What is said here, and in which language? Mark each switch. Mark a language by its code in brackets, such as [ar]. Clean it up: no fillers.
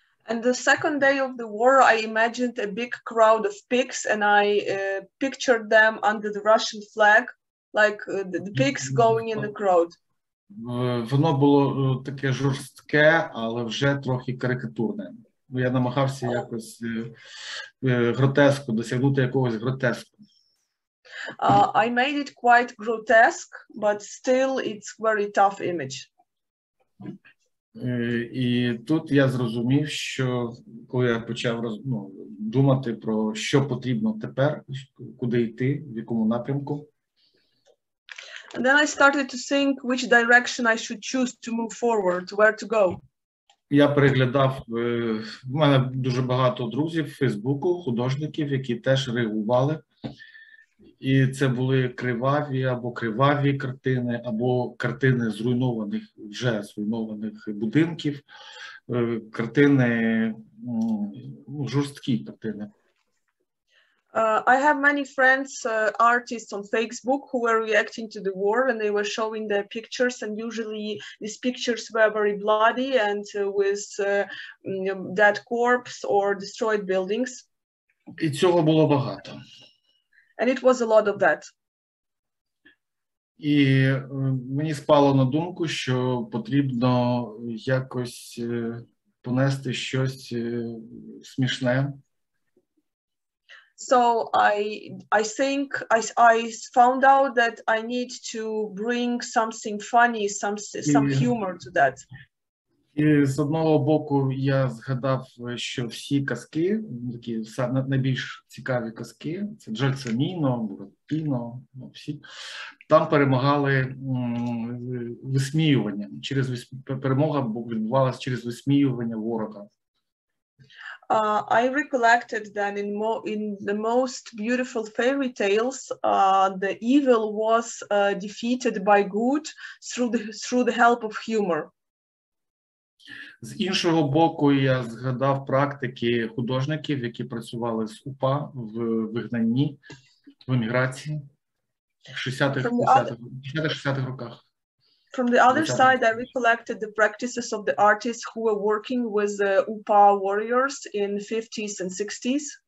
[en] And the second day of the war, I imagined a big crowd of pigs and I pictured them under the Russian flag, like the pigs going in the crowd. [uk] Воно було таке жорстке, але вже трохи карикатурне. Я намагався якось гротеску, досягнути якогось гротеску. [en] I made it quite grotesque, but still it's very tough image. [uk] І тут я зрозумів, що коли я почав думати про що потрібно тепер, куди йти, в якому напрямку. [en] And then I started to think which direction I should choose to move forward, where to go. [uk] Я переглядав, в мене дуже багато друзів в Фейсбуку, художників, які теж реагували. І це були криваві або криваві картини, або картини зруйнованих, вже зруйнованих будинків, картини, жорсткі картини. [en] I have many friends, artists on Facebook who were reacting to the war and they were showing their pictures and usually these pictures were very bloody and with dead corpses or destroyed buildings. [uk] І цього було багато. [en] And it was a lot of that. [uk] І мені спало на думку, що потрібно якось понести щось смішне. [en] So I think I found out that I need to bring something funny, some humor to that. [uk] І з одного боку я згадав, що всі казки, такі найбільш цікаві казки, це Джальцаніно, Буратіно, всі, там перемагали висміювання, через перемога відбувалася через висміювання ворога. [en] I recollected that in the most beautiful fairy tales, the evil was defeated by good through the help of humor. [uk] З іншого боку, я згадав практики художників, які працювали з УПА в вигнанні, в еміграції в 60-х роках. [en] From the other side, I recollected the practices of the artists who were working with the UPA warriors in 50s and 60s.